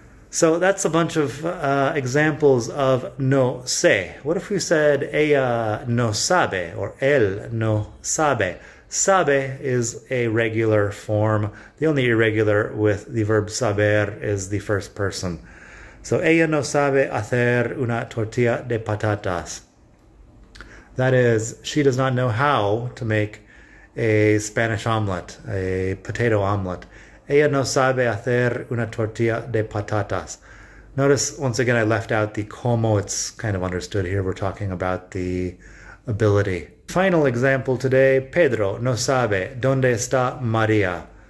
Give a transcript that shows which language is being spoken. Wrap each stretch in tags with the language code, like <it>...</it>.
<en>So that's a bunch of examples of no sé. What if we said</en> <es>ella no sabe</es> <en>or</en> <es>él no sabe?</es> <en>Sabe is a regular form. The only irregular with the verb saber is the first person.</en> <es>So ella no sabe hacer una tortilla de patatas.</es> <en>That is, she does not know how to make a Spanish omelet, a potato omelet.</en> <es>Ella no sabe hacer una tortilla de patatas.</es> <en>Notice, once again, I left out the cómo. It's kind of understood here. We're talking about the ability. Final example today,</en> <es>Pedro no sabe dónde está María.</es>